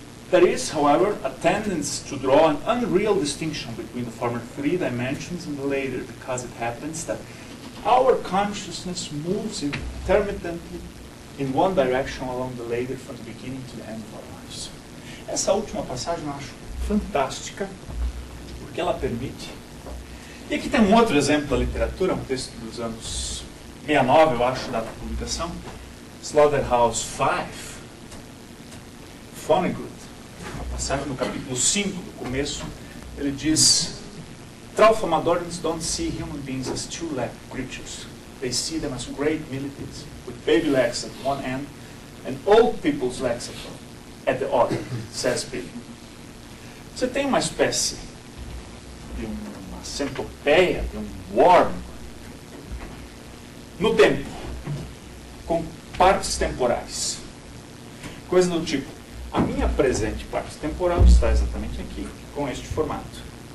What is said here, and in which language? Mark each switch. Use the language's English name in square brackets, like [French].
[English] There is, however, a tendency to draw an unreal distinction between the former three dimensions and the later, because it happens that our consciousness moves intermittently in one direction along the later from the beginning to the end of our lives. [Portuguese] Essa última passagem eu acho fantástica, porque ela permite. E aqui tem um outro exemplo da literatura, um texto dos anos 69, eu acho, data de publicação, Slaughterhouse Five, Vonnegut. Passagem no capítulo 5, no começo, ele diz: [English] Traumatologists don't see human beings as two-legged creatures. They see them as great millipedes, with baby legs at one end and old people's legs at the other, says Bill. [Portuguese] Você tem uma espécie de uma centopeia, de um worm, no tempo, com partes temporais. Coisa do tipo: a minha presente parte temporal está exatamente aqui, com este formato.